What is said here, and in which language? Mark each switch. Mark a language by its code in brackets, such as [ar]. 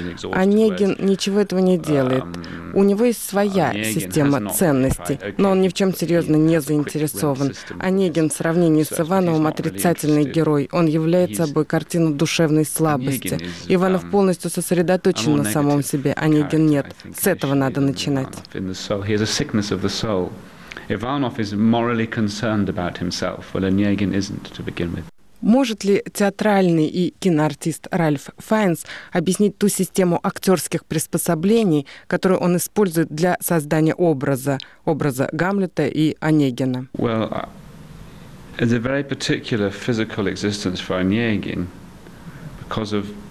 [ru] Онегин ничего этого не делает. У него есть своя система ценностей, но он ни в чем серьезно не заинтересован. Онегин в сравнении с Ивановым отрицательный герой. Он являет собой картину душевной слабости. Иванов полностью сосредоточен на самом себе. Онегин нет. С этого надо начинать. [en] Of the soul. Ivanov is morally concerned about himself, while Onegin isn't to begin with. [ru] Может ли театральный и киноартист Ральф Файнс объяснить ту систему актерских приспособлений, которую он использует для создания образа, образа Гамлета и Онегина? [en] Well, it's a very particular physical existence for Onegin because of